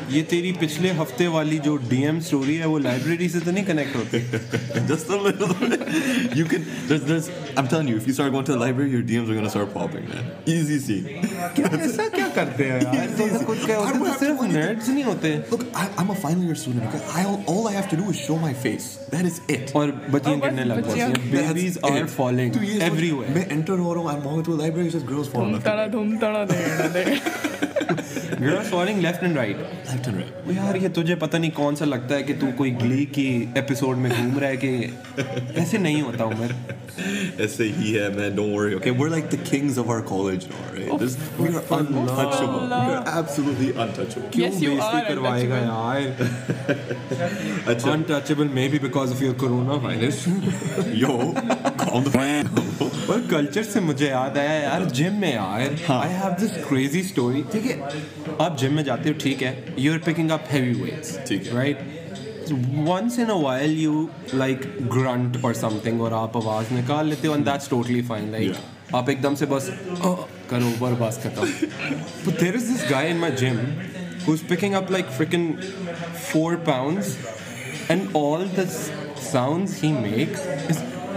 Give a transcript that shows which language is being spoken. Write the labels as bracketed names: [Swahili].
[Hindi] ये तेरी पिछले हफ्ते वाली जो DM story है वो library से तो नहीं connect होती? [English] Just a little bit. You can. There's. I'm telling you, if you start going to the library, your DMs are gonna start popping, man. Easy scene. [Hindi] ऐसा क्या करते हैं यार? तो ऐसा कुछ क्या होता है? सिर्फ nerds नहीं होते. [English] Look, I'm a final year student. Okay? All I have to do is show my face. That is it. और बच्चियाँ गिरने लग गईं. Babies are falling everywhere. [Hindi] मैं enter हो रहा हूँ. [English] I'm going to a library. It's just girls falling. धूम तड़ा दे. Girls falling left and right. Left and right. [Hindi] वो यार ये तुझे पता नहीं कौन सा लगता है कि तू कोई ग्ली की एपिसोड में घूम रहा है कि ऐसे नहीं होता हूँ मैं. ऐसे ही है मैं. [English] Don't worry. Okay, we're like the kings of our college now, right? Oh, we are untouchable. Allah. We are absolutely untouchable. Yes, you are untouchable. [Hindi] क्यों बेइज्जती करवाएगा यार? [English] Untouchable maybe because of your coronavirus. Yo, calm the fuck. [Hindi] पर culture से मुझे याद आया यार जिम में यार. [English] I have this crazy story. [Hindi] ठीक है आप जिम में जाते हो ठीक है [English] you're picking up heavy weights [Hindi] ठीक है [English] right once in a while you like grunt or something [Hindi] और आप आवाज निकाल लेते हो [English] and that's totally fine like [Hindi] आप एकदम से बस करो ऊपर बस खत्म [English] but there is this guy in my gym who's picking up like freaking 4 pounds and all the sounds he makes is